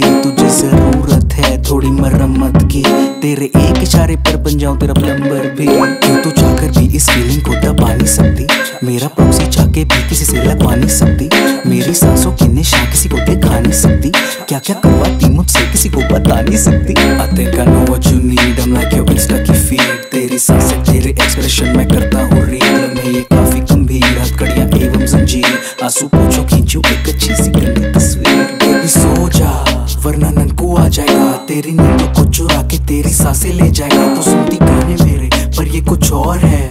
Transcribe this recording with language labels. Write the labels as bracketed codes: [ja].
[hi] तुझे जरूरत है थोड़ी मरम्मत की, तेरे एक इशारे पर बन जाऊं तेरा प्लंबर भी। क्यों तू जाकर भी इस फीलिंग को दबा नहीं सकती? मेरा प्रोसी जाके भी किसी से लगवा नहीं सकती। मेरी सांसों की निशा किसी को दिखा नहीं सकती। क्या क्या करवाती मुझसे किसी को बता नहीं सकती। [en] I think I know what you need, I'm like your insta [hi] की [en] feed। [hi] तेरी सांसें तेरे एक्सप्रेशन में करता हूँ रीड। मैं ये काफी गंभीर हथकड़ियाँ एवं जंजीर। आंसू पोछो खींचो एक अच्छी सी गंदी तस्वीर। बेबी सो जा वरना ननकू आ जाएगा। तेरी नींद को चुरा के तेरी सांसें ले जाएगा। तो सुनती गाने मेरे पर ये कुछ और है।